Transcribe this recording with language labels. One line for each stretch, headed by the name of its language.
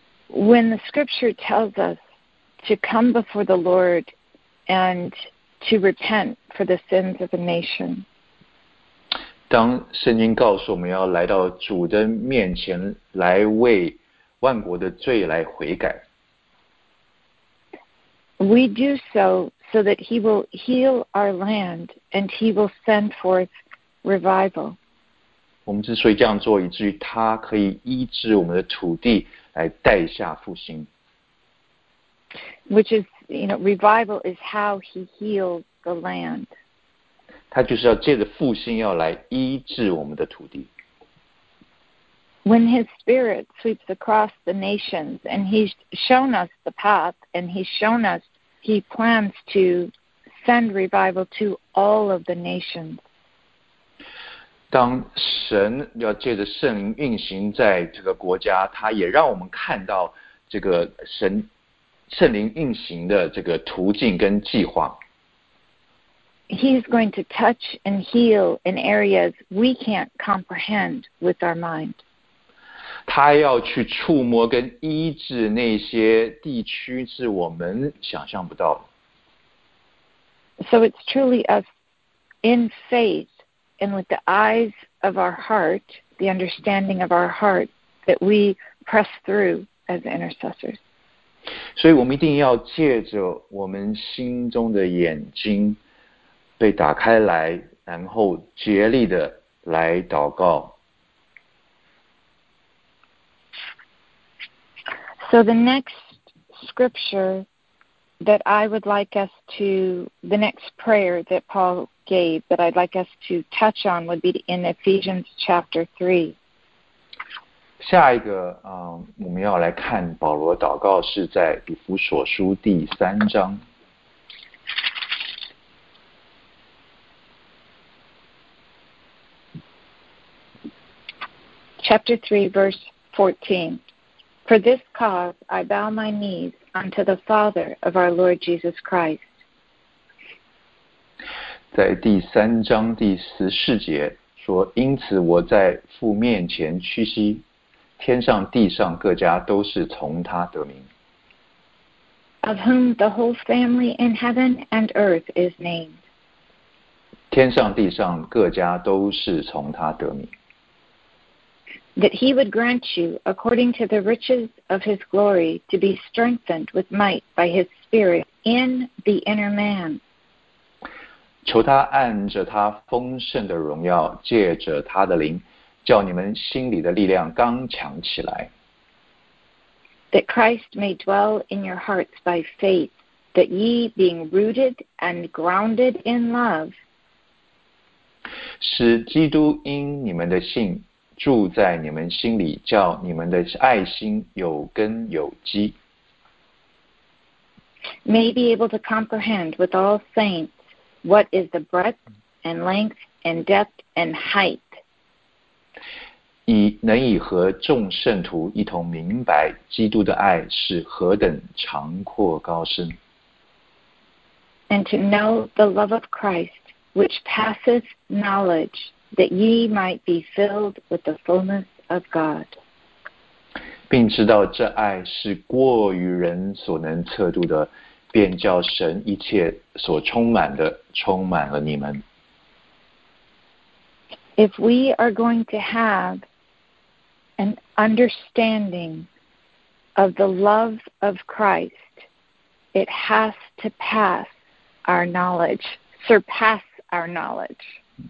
English: when the scripture tells us to come before the Lord and to repent for the sins of the nation,
Chinese: 当圣经告诉我们要来到主的面前来为万国的罪来悔改，
English: we do so so that he will heal our land and he will send forth revival.
Chinese: 我们之所以这样做，以至于他可以医治我们的土地来带下复兴。
English: Which is, you know, revival is how he heals the land.
Chinese: 他就是要借着复兴要来医治我们的土地。
English: When his spirit sweeps across the nations and he's shown us the path and he's shown us he plans to send revival to all of the nations.
Chinese: 当神要借着圣灵运行在这个国家，他也让我们看到这个神圣灵运行的这个途径跟计划。
English: He's going to touch and heal in areas we can't comprehend with our mind.
Chinese: 他要去触摸跟医治那些地区是我们想象不到的。
English: So it's truly us in faith and with the eyes of our heart, the understanding of our heart, that we press through as intercessors.
Chinese: 所以我们一定要借着我们心中的眼睛被打开来，然后竭力的来祷告。
English: So the next scripture that I would like us to, the next prayer that Paul gave that I'd like us to touch on would be in Ephesians chapter 3.
Chinese: 下一个，我们要来看保罗祷告是在以弗所书第三章。
English: Chapter 3, verse 14. For this cause I bow my knees unto the Father of our Lord Jesus Christ.
Chinese: 在第三章第十四节说，因此我在父面前屈膝，天上地上各家都是从他得名。
English: Of whom the whole family in heaven and earth is named.
Chinese: 天上地上各家都是从他得名。
English: That he would grant you, according to the riches of his glory, to be strengthened with might by his spirit in the inner man.
Chinese: 求他按着他丰盛的荣耀，借着他的灵，叫你们心里的力量刚强起来。
English: That Christ may dwell in your hearts by faith, that ye being rooted and grounded in love.
Chinese: 使基督因你们的信住在你们心里，叫你们的爱心有根有基。
English: May be able to comprehend with all saints what is the breadth and length and depth and height.
Chinese: 能以和众圣徒一同明白基督的爱是何等长阔高深。
English: And to know the love of Christ which passeth knowledge. That ye might be filled with the fullness of God.
Chinese: 并知道这爱是过于人所能测度的，便叫神一切所充满的充满了你们。
English: If we are going to have an understanding of the love of Christ, it has to pass our knowledge, surpass our knowledge.